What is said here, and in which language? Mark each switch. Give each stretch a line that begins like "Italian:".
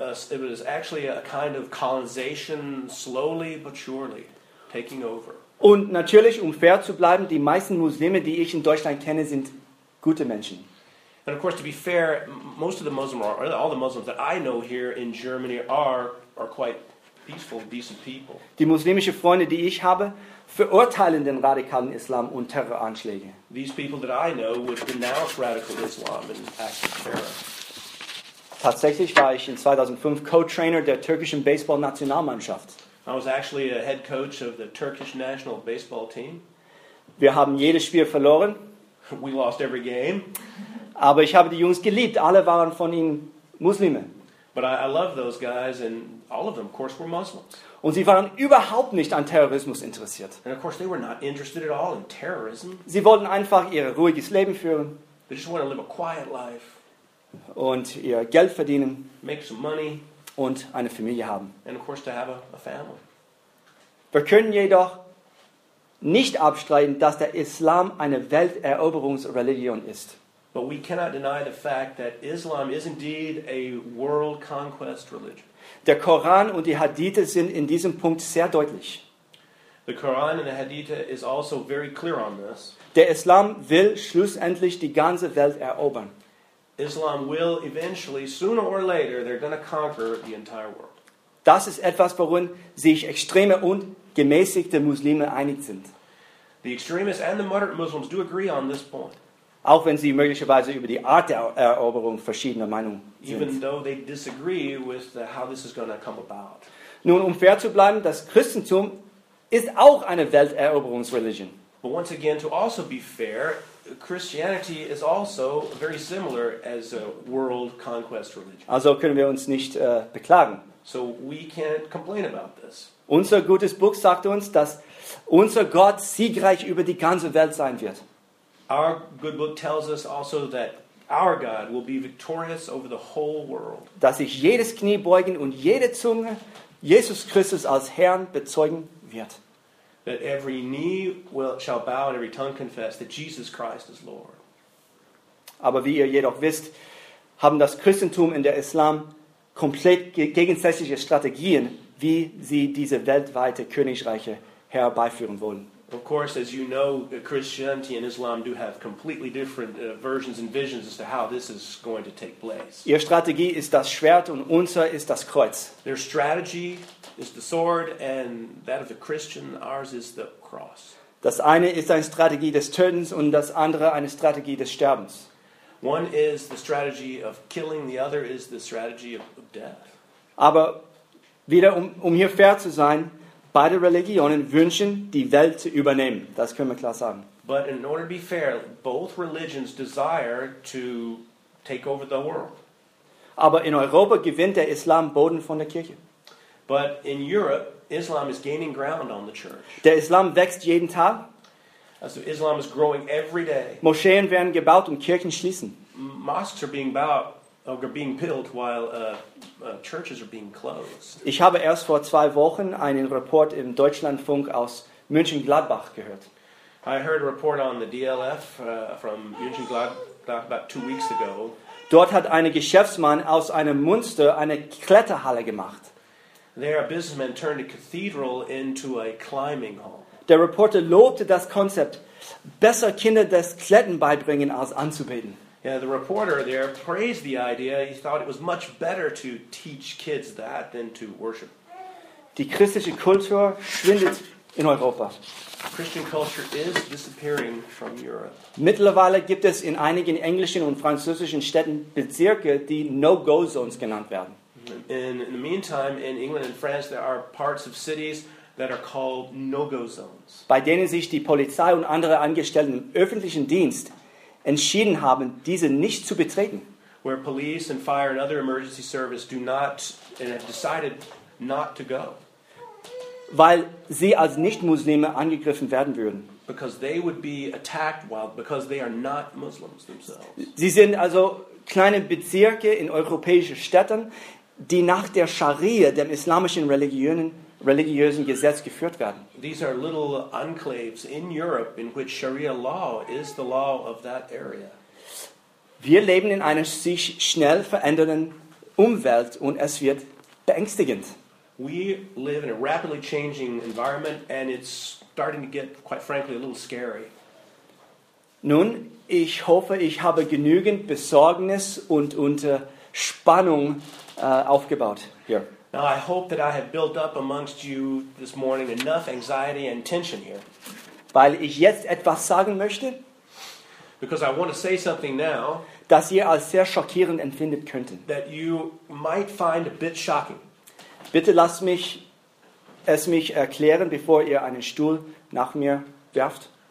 English: It is actually a kind of colonization, slowly but surely, taking over.
German: Und natürlich, um fair zu bleiben, die meisten Muslime, die ich in Deutschland kenne, sind gute Menschen.
English: And of course, to be fair, most of the Muslims, or all the Muslims that I know here in Germany are quite peaceful, decent people.
German: Die muslimische Freunde, die ich habe, verurteilen den radikalen Islam und Terroranschläge.
English: These people that I know would denounce radical Islam and acts of terror.
German: Tatsächlich war ich in 2005 Co-Trainer der türkischen Baseball-Nationalmannschaft.
English: I was actually a head coach of the Turkish national baseball team.
German: Wir haben jedes Spiel verloren.
English: We lost every game.
German: Aber ich habe die Jungs geliebt. Alle waren von ihnen Muslime.
English: But I love those guys, and all of them, of course, were Muslims.
German: Und sie waren überhaupt nicht an Terrorismus interessiert.
English: And of course, they were not interested at all in terrorism.
German: Sie wollten einfach ihr ruhiges Leben führen.
English: They just wanted to live a quiet life.
German: Und ihr Geld verdienen.
English: Make some money.
German: Und eine Familie haben.
English: And of course, to have a family.
German: Wir können jedoch nicht abstreiten, dass der Islam eine Welteroberungsreligion ist.
English: But we cannot deny the fact that Islam is indeed a world conquest religion.
German: Der Koran und die Hadithe sind in diesem Punkt sehr deutlich.
English: The Quran and the Hadithe is also very clear on this.
German: Der Islam will schlussendlich die ganze Welt erobern.
English: Islam will eventually, sooner or later, they're going to conquer the entire world.
German: Das ist etwas, worin sich extreme und gemäßigte Muslime einig sind.
English: The extremists and the moderate Muslims do agree on this point.
German: Auch wenn sie möglicherweise über die Art der Eroberung verschiedener Meinung sind.
English: Even though they disagree with the, how this is going to come about.
German: Nun, um fair zu bleiben, das Christentum ist auch eine Welteroberungsreligion.
English: But once again, to also be fair, Christianity is also very similar as a world conquest religion.
German: Also können wir uns nicht beklagen.
English: So we can't complain about this.
German: Unser gutes Buch sagt uns, dass unser Gott siegreich über die ganze Welt sein wird.
English: Our good book tells us also that our God will be victorious over the whole world.
German: Dass sich jedes Knie beugen und jede Zunge Jesus Christus als Herrn bezeugen wird.
English: That every knee shall bow and every tongue confess that Jesus Christ is Lord.
German: Aber wie ihr jedoch wisst, haben das Christentum und der Islam komplett gegensätzliche Strategien, wie sie diese weltweite Königreiche herbeiführen wollen.
English: Of course, as you know, Christianity and Islam do have completely different versions and visions as to how this is going to take place.
German: Ihr Strategie ist das Schwert und unser ist das Kreuz.
English: Their strategy is the sword and that of the Christian, ours is the cross.
German: Das eine ist eine Strategie des Tötens und das andere eine Strategie des Sterbens.
English: One is the strategy of killing, the other is the strategy of death.
German: Aber wieder um hier fair zu sein, beide Religionen wünschen, die Welt zu übernehmen. Das können wir klar sagen.
English: But in order to be fair, both religions desire to take over the world.
German: Aber in Europa gewinnt der Islam Boden von der Kirche.
English: But in Europe, Islam is gaining ground on the church.
German: Der Islam wächst jeden Tag.
English: Also Islam is growing every day.
German: Moscheen werden gebaut und Kirchen schließen.
English: Mosques are being built. Are being built while churches are being closed.
German: Ich habe erst vor zwei Wochen einen Report im Deutschlandfunk aus München Gladbach gehört.
English: I heard a report on the DLF from München Gladbach about 2 weeks ago.
German: Dort hat ein Geschäftsmann aus einem Münster eine Kletterhalle gemacht.
English: There, a businessman turned a cathedral into a climbing hall.
German: Der Reporter lobte das Konzept, besser Kinder das Klettern beibringen als anzubeten.
English: Yeah, the reporter there praised the idea. He thought it was much better to teach kids that than to worship.
German: Die christliche Kultur schwindet in Europa.
English: Christian culture is disappearing from Europe.
German: Mittlerweile gibt es in einigen englischen und französischen Städten Bezirke, die No-Go-Zones genannt werden.
English: In the meantime, in England and France, there are parts of cities that are called No-Go-Zones.
German: Bei denen sich die Polizei und andere Angestellten im öffentlichen Dienst entschieden haben, diese nicht zu betreten.
English: where police and fire and other emergency service do not and have decided not to go.
German: Weil sie als Nicht-Muslime angegriffen werden würden.
English: Because they would be attacked while because they are not Muslims themselves.
German: Sie sind also kleine Bezirke in europäischen Städten, die nach der Scharia, dem islamischen religiösen Gesetz geführt werden.
English: These are little enclaves in Europe in which Sharia law is the law of that area.
German: Wir leben in einer sich schnell verändernden Umwelt und es wird beängstigend.
English: We live in a rapidly changing environment and it's starting to get, quite frankly, a little scary.
German: Nun, ich hoffe, ich habe genügend Besorgnis und Spannung aufgebaut hier.
English: Now, I hope that I have built up amongst you this morning enough anxiety and tension here.
German: Weil ich jetzt etwas sagen möchte.
English: Because I want to say something now.
German: Das ihr als sehr schockierend empfindet könnten.
English: That you might find a bit shocking.
German: Bitte lasst mich es mich erklären, bevor ihr einen Stuhl nach mir werft.